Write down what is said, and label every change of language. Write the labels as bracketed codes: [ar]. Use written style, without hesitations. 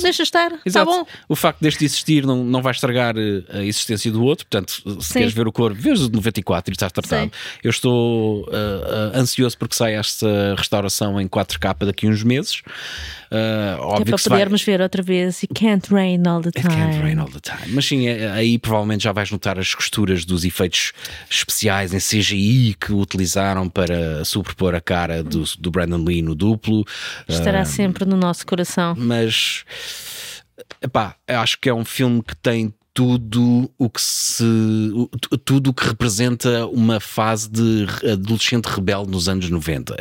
[pt] Deixa estar. Exato. Tá bom. O facto deste existir não vai estragar a existência do outro. Portanto, se Sim. queres ver o corpo, vês o de 94 e estás tratado. Sim. Eu estou ansioso porque saia esta restauração em 4K daqui a uns meses. Óbvio que é para podermos ver outra vez. [en] It can't rain all the time. It can't rain all the time. [pt] Mas sim, aí provavelmente já vais notar as costuras dos efeitos especiais em CGI que utilizaram para sobrepor a cara do Brandon Lee no duplo. Estará sempre no nosso coração. Mas epá, eu acho que é um filme que tem tudo o que tudo o que representa uma fase de adolescente rebelde nos anos 90.